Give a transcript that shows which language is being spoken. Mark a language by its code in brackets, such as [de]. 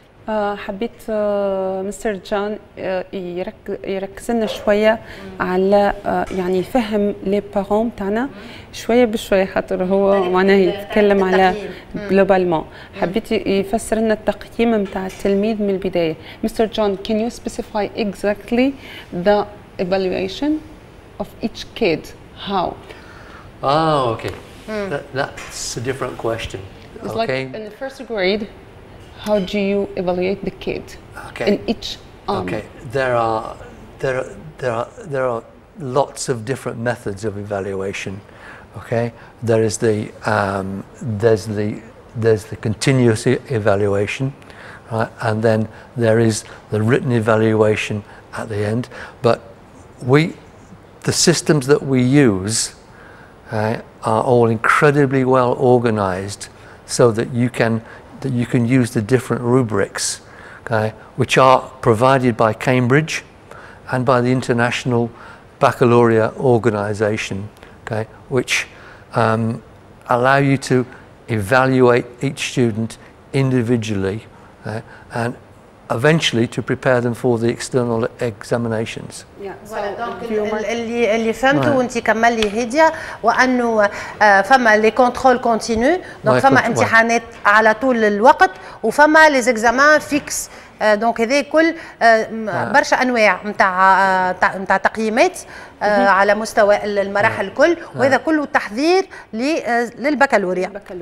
[ar] حبيت مستر جون يركز لنا شويه على يعني يفهم لي بارون تاعنا شويه بشويه خاطر هو معناه يتكلم على جلوبالمون حبيت يفسر لنا التقييم نتاع التلميذ من البدايه مستر جون [en] Can you specify exactly the evaluation of each kid how okay That's a different question. It's okay. Like in the first grade, how do you evaluate the kid? Okay. In each Okay. There are lots of different methods of evaluation. Okay. There is the there's the continuous evaluation, right? And then there is the written evaluation at the end. But the systems that we use. Are all incredibly well organized so that you can use the different rubrics which are provided by Cambridge and by the International Baccalaureate Organization which allow you to evaluate each student individually and eventually to prepare them for the external examinations. [ar] اللي فهمته وانت كمل لي هديه وانه فما [fr] لي كونترول كونتينيو [ar] دونك فما امتحانات على طول الوقت وفما [fr] لي زيكزامان فيكس [ar] دونك هذا كل برشا انواع نتاع تقييمات على مستوى المراحل الكل وهذا كله تحضير للبكالوريا.